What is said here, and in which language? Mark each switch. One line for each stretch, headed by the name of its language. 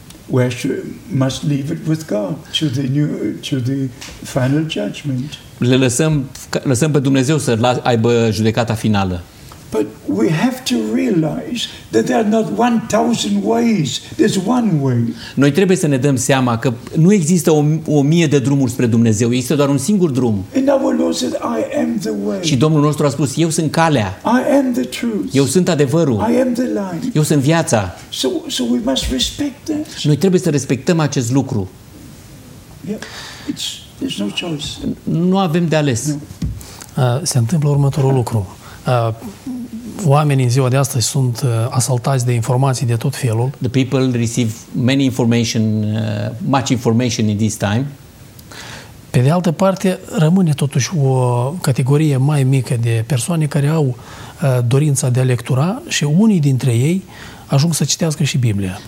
English: Where should, must leave it with God to the new, to the final judgment.
Romanian: Le lăsăm pe Dumnezeu să aibă judecata finală.
English: But we have to realize that there are not 1,000 ways. There's one way.
Romanian: Noi trebuie să ne dăm seama că nu există o mie de drumuri spre Dumnezeu. Există doar un singur drum.
English: And our Lord said, I am the way.
Romanian: Și Domnul nostru a spus, eu sunt calea.
English: I am the truth.
Romanian: Eu sunt adevărul.
English: I am the life.
Romanian: Eu sunt viața.
English: So we must respect that.
Romanian: Noi trebuie să respectăm acest lucru.
English: Yep. There's no choice.
Romanian: Nu avem de ales. Se întâmplă următorul lucru. Oamenii în ziua de astăzi sunt asaltați de informații de tot felul.
English: The people receive many information, much information in this time.
Romanian: Pe de altă parte, rămâne totuși o categorie mai mică de persoane care au dorința de a lectura și unii dintre ei ajung să citească și Biblia.